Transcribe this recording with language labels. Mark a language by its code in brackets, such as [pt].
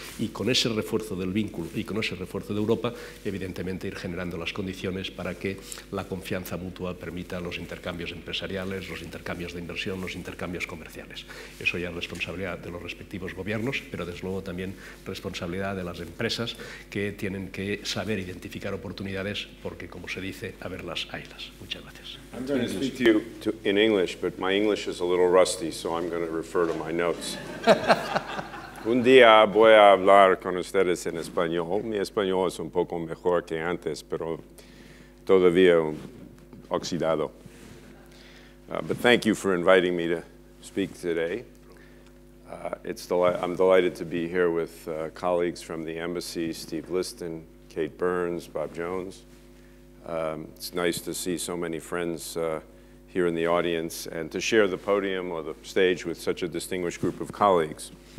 [es] Y con ese refuerzo del vínculo y con ese refuerzo de Europa, evidentemente ir generando las condiciones para que la confianza mutua permita los intercambios empresariales, los intercambios de inversión, los intercambios comerciales. Eso ya es responsabilidad de los respectivos gobiernos, pero desde luego también responsabilidad de las empresas que tienen que saber identificar oportunidades porque, como se dice, a verlas. [en] I'm going to speak to you in English, but my English is a little rusty, so I'm going to refer to my notes. [es] Un día voy a hablar con ustedes en español. Mi español es un poco mejor que antes, pero todavía oxidado. [en] But thank you for inviting me to speak today. I'm delighted to be here with colleagues from the embassy, Steve Liston, Kate Burns, Bob Jones. It's nice to see so many friends here in the audience and to share the podium or the stage with such a distinguished group of colleagues.